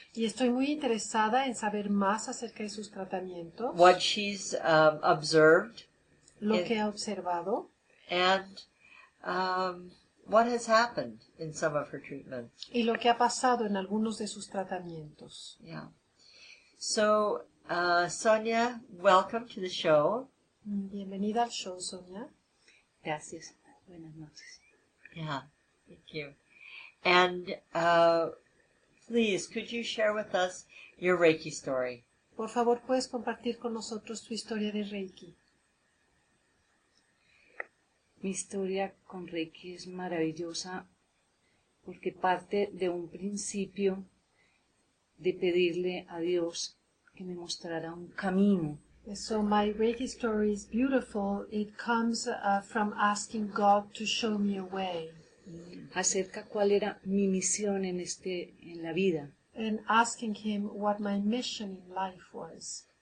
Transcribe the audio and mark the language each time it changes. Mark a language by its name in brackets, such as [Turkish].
[Spanish] Y estoy muy interesada en saber más acerca de sus tratamientos. [English] What she's observed. [Spanish] Lo que ha observado. [English] And what has happened in some of her treatments. [Spanish] Y lo que ha pasado en algunos de sus tratamientos. [English] Yeah. So, Sonia, welcome to the show. [Spanish] Bienvenida al show, Sonia. Gracias. Buenas noches. [English] Yeah, thank you. And please, could you share with us your Reiki story? [Spanish] Por favor, ¿puedes compartir con nosotros tu historia de Reiki? Mi historia con Reiki es maravillosa porque parte de un principio de pedirle a Dios que me mostrará un camino. [English] So my Reiki story is beautiful. It comes from asking God to show me a way. [Spanish] Acerca cuál era mi misión en este en la vida. [English] And asking him what my mission in life was.